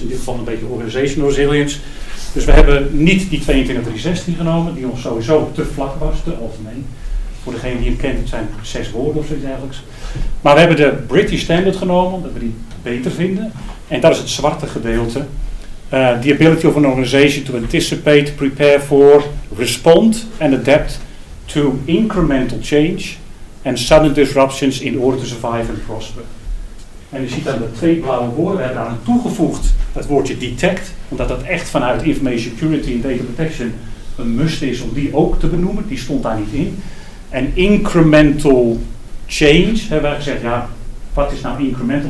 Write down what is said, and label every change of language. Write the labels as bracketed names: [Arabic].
[Dutch] In dit geval een beetje organizational resilience. Dus we hebben niet die 22-3-16 genomen, die ons sowieso te vlak was, te algemeen. Voor degene die hem kent, het zijn 6 woorden of zoiets dergelijks. Maar we hebben de British Standard genomen, dat we die beter vinden. En dat is het zwarte gedeelte. [English] The ability of an organization to anticipate, prepare for, respond and adapt to incremental change and sudden disruptions in order to survive and prosper. [Dutch] En je ziet aan de 2 blauwe woorden, we hebben daar aan toegevoegd het woordje detect, omdat dat echt vanuit information security en data protection een must is om die ook te benoemen, die stond daar niet in. En incremental change, hebben wij gezegd, ja, wat is nou incremental?